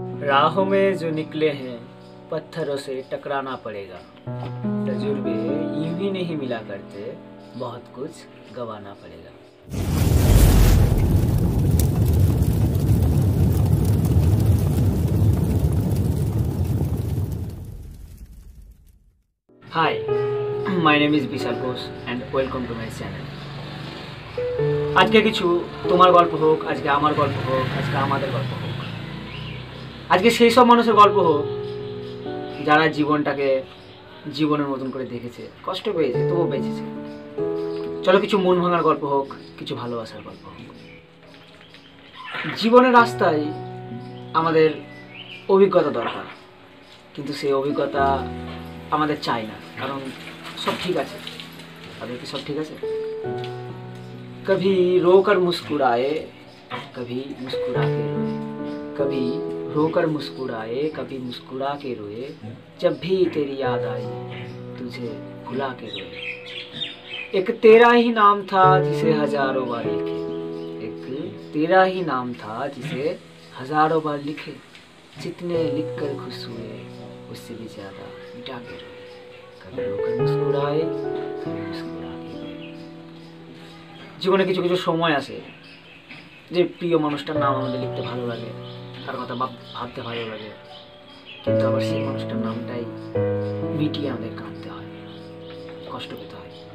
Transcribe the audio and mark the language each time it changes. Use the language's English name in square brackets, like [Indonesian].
[Hindi] राह में जो निकले हैं पत्थरों से टकराना पड़ेगा, तजुर्बे यूं भी नहीं मिला करते, बहुत कुछ गवाना पड़ेगा। [English] Hi, my name is Vishal Ghosh and welcome to my channel. [Bangla] আজকে কিছু তোমার গল্প হোক, আজকে আমার গল্প হোক, আজকে আমাদের গল্প হোক, আজকে সেই সব মানুষের গল্প হোক যারা জীবনটাকে জীবনের মতন করে দেখেছে, কষ্ট পেয়েছে তবুও বেঁচেছে। চলো কিছু মন ভাঙার গল্প হোক, কিছু ভালোবাসার গল্প হোক। জীবনের রাস্তায় আমাদের অভিজ্ঞতা দরকার, কিন্তু সেই অভিজ্ঞতা আমাদের চাই না, কারণ সব ঠিক আছে। তাদের কি সব ঠিক আছে? [Hindi] कभी रो कर मुस्कुराए, कभी मुस्कुरा के रोए, कभी रो कर मुस्कुराए, कभी मुस्कुरा के रोए, जब भी तेरी याद आई तुझे भुला के रोए। एक तेरा ही नाम था जिसे हजारों बार लिखे, एक तेरा ही नाम था जिसे हजारों बार लिखे, जितने लिख कर खुश हुए उससे भी ज्यादा मिटा के रोए। कभी रो कर मुस्कुराए, कभी मुस्कुरा। [Bangla] জীবনে কিছু কিছু সময় আসে যে প্রিয় মানুষটার নাম আমাদের লিখতে ভালো লাগে, তার কথা ভাবতে ভালো লাগে, কিন্তু আবার সেই মানুষটার নামটাই মিটিয়ে আমাদের কাঁদতে হয়, কষ্ট পেতে হয়।